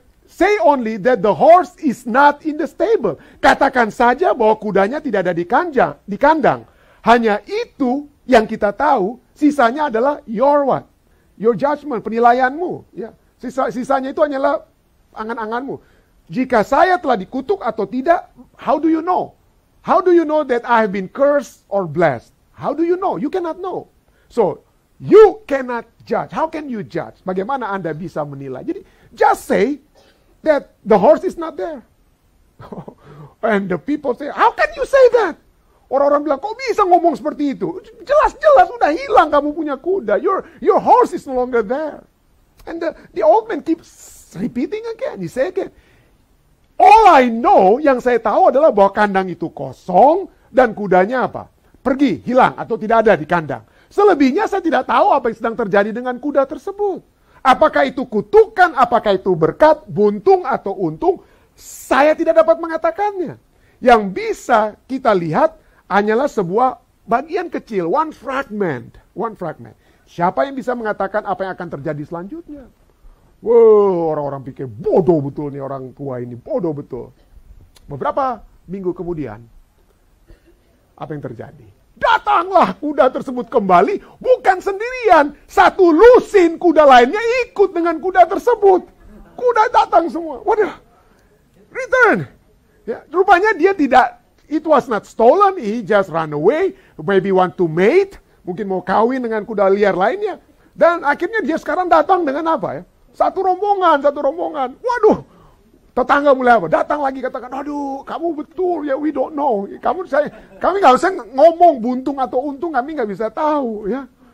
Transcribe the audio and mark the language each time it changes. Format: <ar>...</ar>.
<en>Say only that the horse is not in the stable.</en> <id>Katakan saja bahwa kudanya tidak ada di kandang. Hanya itu yang kita tahu, sisanya adalah</id> <en>your judgment,</en> <id>penilaianmu. Yeah. Sisanya itu hanyalah angan-anganmu. Jika saya telah dikutuk atau tidak,</id> <en>how do you know? How do you know that I have been cursed or blessed? How do you know? You cannot know. So, you cannot judge. How can you judge?</en> <id>Bagaimana Anda bisa menilai?</id> <en>Jadi, just say that the horse is not there. And the people say, how can you say that?</en> <id>Orang-orang bilang, kok bisa ngomong seperti itu? Jelas-jelas sudah hilang kamu punya kuda.</id> <en>Your horse is no longer there. And the old man keeps repeating again. He say again, all I know,</en> <id>yang saya tahu adalah bahwa kandang itu kosong dan kudanya apa? Pergi, hilang atau tidak ada di kandang. Selebihnya saya tidak tahu apa yang sedang terjadi dengan kuda tersebut. Apakah itu kutukan, apakah itu berkat, buntung atau untung, saya tidak dapat mengatakannya. Yang bisa kita lihat hanyalah sebuah bagian kecil,</id> <en>one fragment.</en> <id>Siapa yang bisa mengatakan apa yang akan terjadi selanjutnya? Wow, orang-orang pikir bodoh betul nih orang tua ini, bodoh betul. Beberapa minggu kemudian, apa yang terjadi? Datanglah kuda tersebut kembali, bukan sendirian. Satu lusin kuda lainnya ikut dengan kuda tersebut. Kuda datang semua. Waduh, return. Ya, rupanya dia tidak,</id> <en>it was not stolen, he just ran away. Maybe want to mate,</en> <id>mungkin mau kawin dengan kuda liar lainnya. Dan akhirnya dia sekarang datang dengan apa ya? Satu rombongan. Waduh, tetangga mulai apa? Datang lagi katakan, aduh, kamu betul ya,</id> <en>we don't know.</en> <id>Kami nggak usah ngomong buntung atau untung, kami nggak bisa tahu ya.</id>